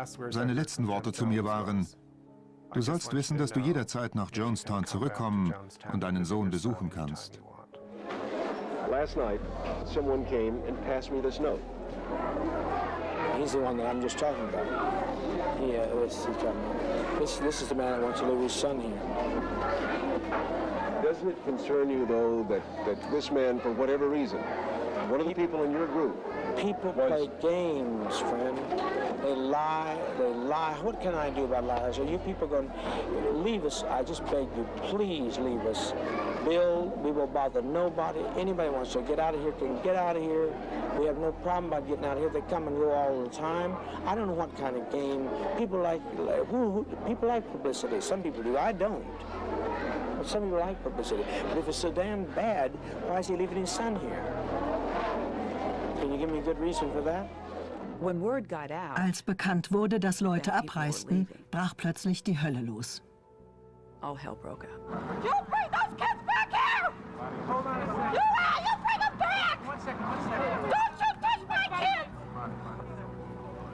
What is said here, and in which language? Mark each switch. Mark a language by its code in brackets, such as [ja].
[de] Seine letzten Worte zu mir waren, du sollst wissen, dass du jederzeit nach Jonestown zurückkommen und deinen Sohn besuchen kannst. [en] Last night, someone came and passed me this note. He's the one that I'm just talking about. Yeah, this is the man that wants to leave his son here. Doesn't it concern you, though, that this man, for whatever reason, one of the people in your group... People play games, friend. They lie. What can I do about liars? Are you people going to leave us? I just beg you, please leave us. Bill, we will bother nobody. Anybody wants to get out of here can get out of here. We have no problem about getting out of here. They come and go all the time. I don't know what kind of game. People like publicity. Some people do. I don't. But some people like publicity. But if it's so damn bad, why is he leaving his son here? Can you give me a good reason for that? When word got out, [de] als bekannt wurde, dass Leute abreisten, brach plötzlich die Hölle los. [en] All hell broke out. You bring those kids back here! Hold on a second. You bring them back! One second. Don't you touch my kids!